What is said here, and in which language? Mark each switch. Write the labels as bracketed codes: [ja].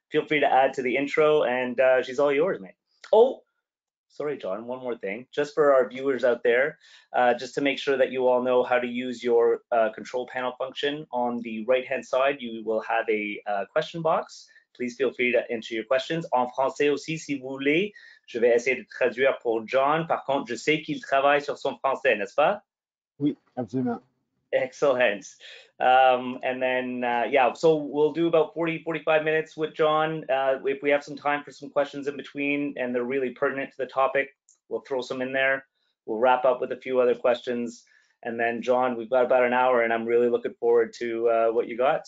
[en] Feel free to add to the intro, and she's all yours, mate. Sorry, John, one more thing, just for our viewers out there, just to make sure that you all know how to use your control panel function. On the right-hand side, you will have a question box. Please feel free to enter your questions. [fr] En français aussi, si vous voulez, je vais essayer de traduire pour John. Par contre, je sais qu'il travaille sur son français, n'est-ce pas? Oui, absolument. Excellent. [en] And then, yeah, so we'll do about 40, 45 minutes with John. If we have some time for some questions in between and they're really pertinent to the topic, we'll throw some in there. We'll wrap up with a few other questions. And then, John, we've got about an hour and I'm really looking forward to what you got.